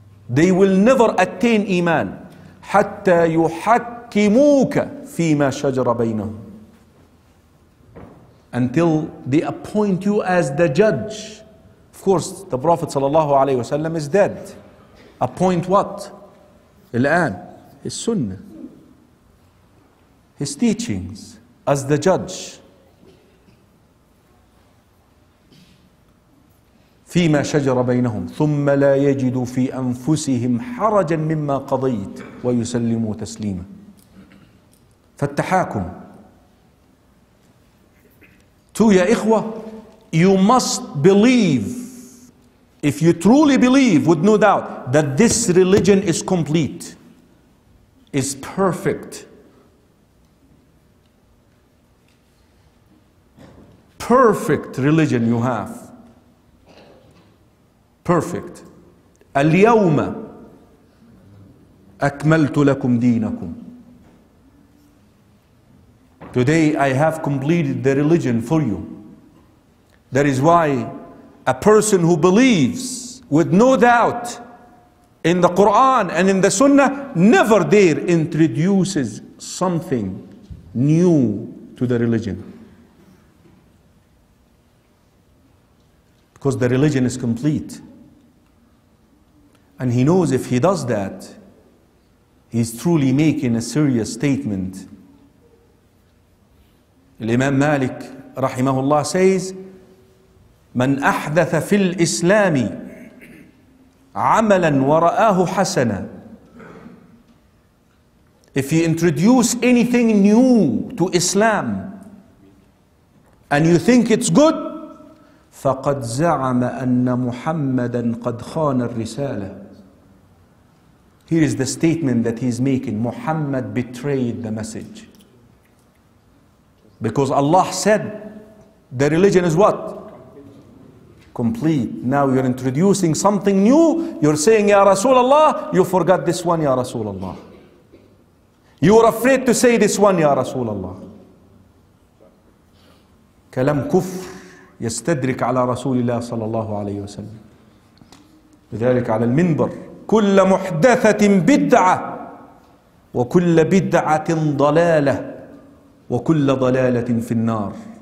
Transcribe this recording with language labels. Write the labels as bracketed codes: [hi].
[en] They will never attain iman [ar] حَتَّى يُحَكِّمُوكَ فِيمَا شَجَرَ بَيْنَهُمْ [en] until they appoint you as the judge. Of course, the Prophet sallallahu alayhi wasallam is dead. Appoint what? Al-an, his sunnah, his teachings as the judge. [ar] فيما شجر بينهم ثم لا يجدوا في أنفسهم حرجا مما قضيت ويسلموا تسليما. فالتحاكم. [en] So, ya ikhwa, you must believe, if you truly believe with no doubt, that this religion is complete, is perfect. Perfect religion you have. Perfect. [ar] Al-yawma akmaltu lakum dinakum. [en] Today I have completed the religion for you. That is why a person who believes with no doubt in the Quran and in the Sunnah never dare introduces something new to the religion. Because the religion is complete. And he knows if he does that, he's truly making a serious statement. [ar] الإمام مالك رحمه الله [en] says [ar] من أحدث في الإسلام عملا ورآه حسنا. [en] If you introduce anything new to Islam and you think it's good, [ar] فقد زعم أن محمدا قد خان الرسالة. [en] Here is the statement that he's making. Muhammad betrayed the message. Because Allah said the religion is what? Complete. Now you're introducing something new. You're saying, Ya Rasulullah, you forgot this one, Ya Rasulullah. You were afraid to say this one, Ya Rasulullah. [ar] كلام كفر يستدرك على رسول الله صلى الله عليه وسلم. لذلك على المنبر كل محدثة بدعة وكل بدعة ضلالة وكل ضلالة في النار.